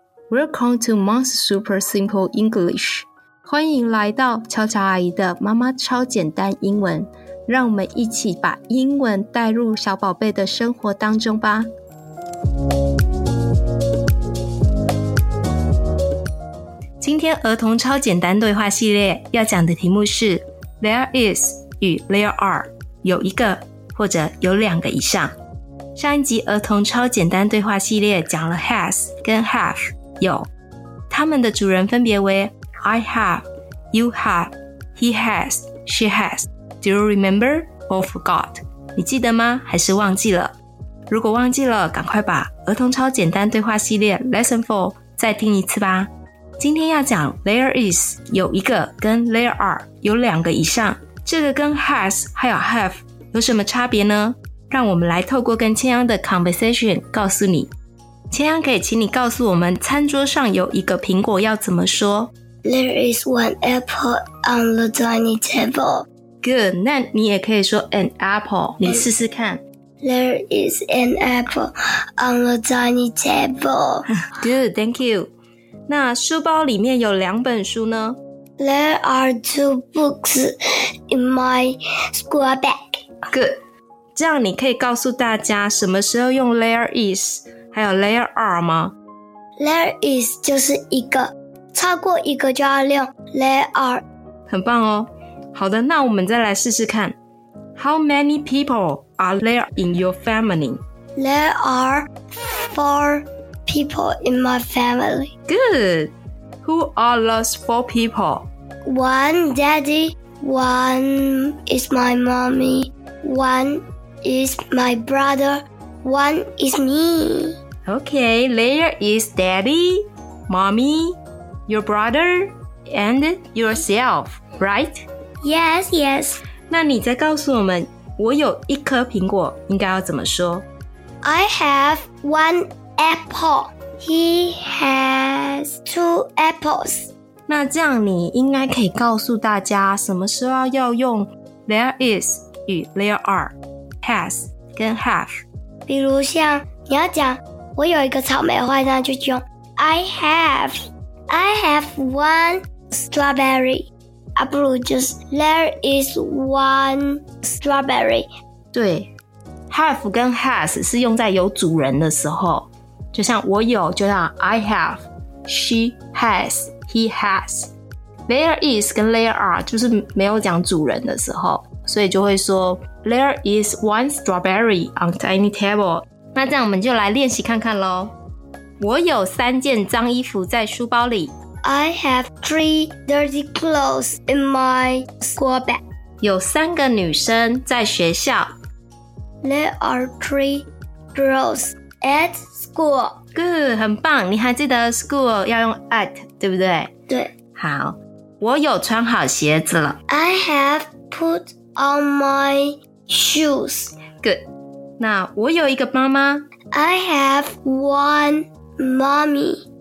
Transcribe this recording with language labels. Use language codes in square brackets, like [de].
[en] Welcome to Mom's Super Simple English. [zh] 欢迎来到乔乔阿姨的妈妈超简单英文，让我们一起把英文带入小宝贝的生活当中吧。今天儿童超简单对话系列要讲的题目是 There is 与 There are， 有一个或者有两个以上。上一集儿童超简单对话系列讲了 has 跟 have， 有，他们的主人分别为 [en] I have, you have, he has, she has。 Do you remember or forgot? [zh] 你记得吗？还是忘记了？如果忘记了，赶快把儿童超简单对话系列 Lesson 4 再听一次吧。今天要讲 there is 有一个跟 there are 有两个以上，这个跟 has 还有 have 有什么差别呢？让我们来透过跟千央的 conversation 告诉你。千央，可以请你告诉我们餐桌上有一个苹果要怎么说？ [en] There is one apple on the dining table. [zh] Good， 那你也可以说 an apple， 你试试看。 [en] There is an apple on the dining table. Good， thank you。 [zh] 那书包里面有两本书呢？ [en] There are two books in my school bag. Good， [zh] 这样你可以告诉大家什么时候用 there is 还有 there are 吗？ There is 就是一个，超过一个就要用 there are。很棒哦。好的，那我们再来试试看。 [en] How many people are there in your family? There are 4 people in my family. Good. Who are those 4 people? One daddy, one is my mommy, oneis my brother, one is me. Okay, there is daddy, mommy, your brother, and yourself, right? Yes, yes. [zh] 那你再告诉我们，我有一颗苹果，应该要怎么说？ [en] I have one apple. He has two apples. [zh] 那这样你应该可以告诉大家，什么时候要用 there is 与 there are。 Has 跟 have，比如像你要讲我有一个草莓花，那就用 [en] I have one strawberry， [zh] 啊，不如就是 [en] there is one strawberry。 [zh] 对， have 跟 has 是用在有主人的时候，就像我有就像 [en] I have, she has, he has。 There is 跟 there are 就是没有讲主人的时候，所以就会说 There is one strawberry on the dining table。 [zh] 那这样我们就来练习看看咯。我有三件脏衣服在书包里。 [en] I have three dirty clothes in my school bag。 [zh] 有三个女生在学校。 [en] There are three girls at school。 Good， [zh] 很棒。你还记得 school 要用 at 对不对？对。好，我有穿好鞋子了。 [en] I have putOn my shoes. Good. [zh] 那我有一个妈妈。 [en] I have one mommy.